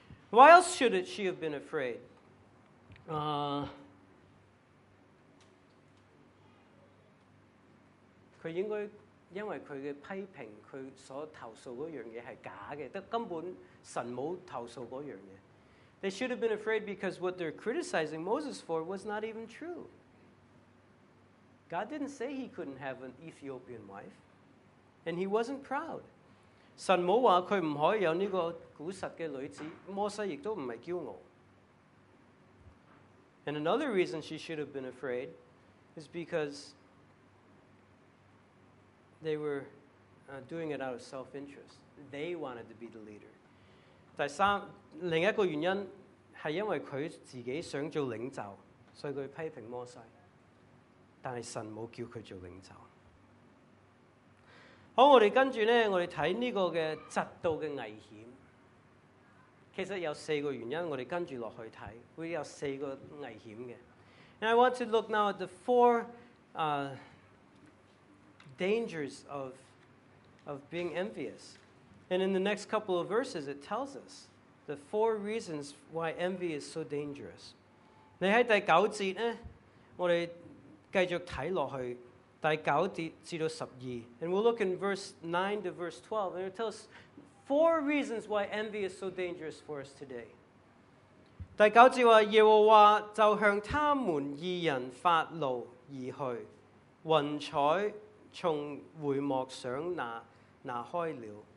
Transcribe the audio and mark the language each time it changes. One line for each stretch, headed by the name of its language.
English: Why else should she have been afraid?
Chinese: He 应该因为他的批评，他所投诉的东西是假的，根本神没有投诉那样的。
English: They should have been afraid because what they're criticizing Moses for was not even true. God didn't say he couldn't have an Ethiopian wife, and he wasn't proud.
Chinese: 神没有说他不可以有这个古实的女子，摩西也都不是骄傲。
English: And another reason she should have been afraid is because they were doing it out of self-interest. They wanted to be the leader.
Chinese: 第三，另一个原因是因为他自己想做领袖，所以他批评摩西，但是神没有叫他做领袖。好，我们跟着呢，我们看这个嫉妒的危险。其实有四个原因，我们跟着下去看，会有四个危险的。
English: And I want to look now at the four dangers of being envious. And in the next couple of verses, it tells us the four reasons why envy is so dangerous.
Chinese: 你在第九节呢，我们继续看下去，第九节至到十二。
English: And we'll look in verse 9 to verse 12, and it tells us four reasons why envy is so dangerous for us today.
Chinese: 第九节说，耶和华就向他们二人发怒而去，云彩从会幕上拿开了。